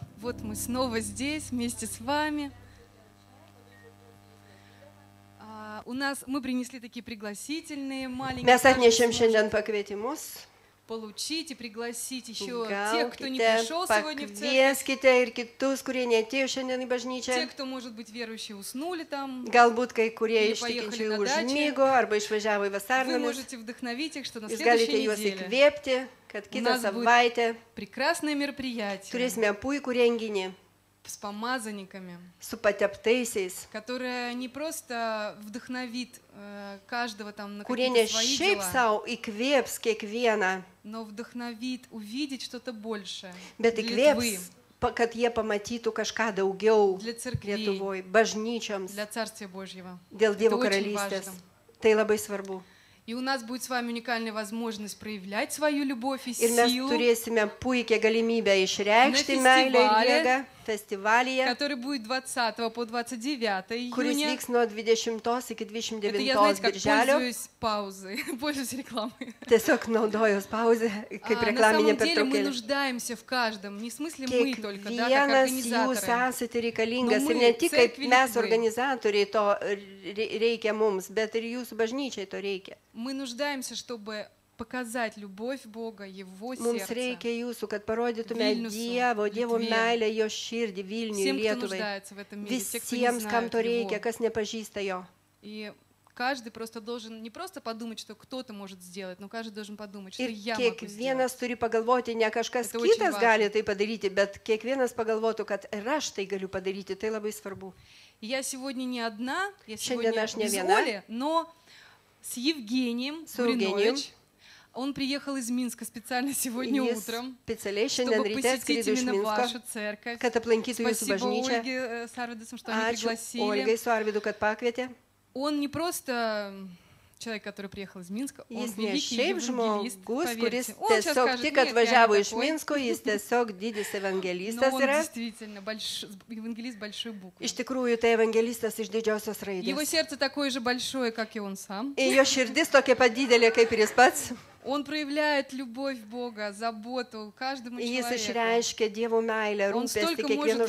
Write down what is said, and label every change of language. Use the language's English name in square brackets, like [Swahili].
[Russian] Вот мы снова здесь вместе с вами. У нас мы принесли такие пригласительные маленькие. Мы отнесем сегодня поквитимус. получить и пригласить еще тех, кто не пришел сегодня в церковь. [Lithuanian] Pakvieskite ir kitus, kurie neatėjo šiandien į bažnyčią. [Russian] Те, кто, может быть, верующие уснули там. [Lithuanian] Galbūt kai kurie iš tikinčiųjų užmigo arba išvažiavo į vasarnamus. [Russian] Вы можете вдохновить их, что на следующей неделе [Lithuanian] kad kitą savaitę [Russian] прекрасное мероприятие. [Lithuanian] Turėsime puikų renginį. [Russian] С помазанниками, [Lithuanian] su pateptaisiais, [Russian] которые не просто вдохновит каждого там на какие-то свои дела, шейп сау и квепс кеквена, но вдохновит увидеть что-то большее. [Lithuanian] Bet įkvėps, kad jie pamatytų kažką daugiau [Russian] для церкви, [Lithuanian] Lietuvoj, bažnyčioms, [Russian] для царствия Божьего, [Lithuanian] dėl Dievo karalystės. Tai labai svarbu. [Russian] И у нас будет с вами уникальная возможность проявлять свою любовь и силу. И мы [Lithuanian] turėsime puikią galimybę išreikšti meilę ir jėgą [Russian] фестивалия, который будет 20 по 29 июня. [Lithuanian] Kuris vyks nuo 20 iki 29 [Russian] Это я, знаете, как пользуюсь паузой, пользуюсь рекламой. [Lithuanian] Тiesiog naudojus pauzę, kaip reklaminė pertraukėlė. [Russian] На самом деле мы нуждаемся в каждом, не в смысле мы только, да, как организаторы. [Lithuanian] Jūs esate reikalingas, ir ne tik kaip mes organizatoriai to reikia mums, bet ir jūsų bažnyčiai to reikia. [Russian] Мы нуждаемся, чтобы показать любовь Бога, Его сердце. [Lithuanian] Mums reikia jūsų, kad parodytume Dievo, Dievo meilę, Jo širdį Vilniui, Lietuvai. Visiems, kam to reikia, kas nepažįsta Jo. [Russian] Каждый просто должен не просто подумать, что кто-то может сделать, но каждый должен подумать, что [Lithuanian] ir [Russian] я могу сделать. И каждый должен подумать, не кажется, что кто-то может это сделать, но каждый должен подумать, что я могу это сделать. Это очень важно. Это очень важно. Я сегодня не одна, я сегодня не в Оле, но с Евгением Бринович. Он приехал из Минска специально сегодня утром, чтобы посетить именно вашу церковь. [Lithuanian] Kad aplankytų jūsų бажнича. [Russian] Спасибо Ольге с Арвидом, что они пригласили. [Lithuanian] Ačiū Ольгой su Arvidu, kad pakvietė. [Russian] Он не просто человек, который приехал из Минска, [Lithuanian] jis [Russian] он великий евангелист, поверьте. Он сейчас скажет, нет, отважаю из Минска, он [Lithuanian] tiesiog didis evangelistas [Russian] Но он действительно евангелист большой буквы. [Lithuanian] Iš tikrųjų, tai evangelistas iš didžiosios raidės. [Russian] Его сердце такое же большое, как и он сам. [Lithuanian] И jo širdis tokia pat didelė, kaip ir jis pats. [Russian] Он проявляет любовь Бога, заботу каждому человеку. [Lithuanian] Jis išreiškia Dievo meilę, rūpestį kiekvienu žmogumi.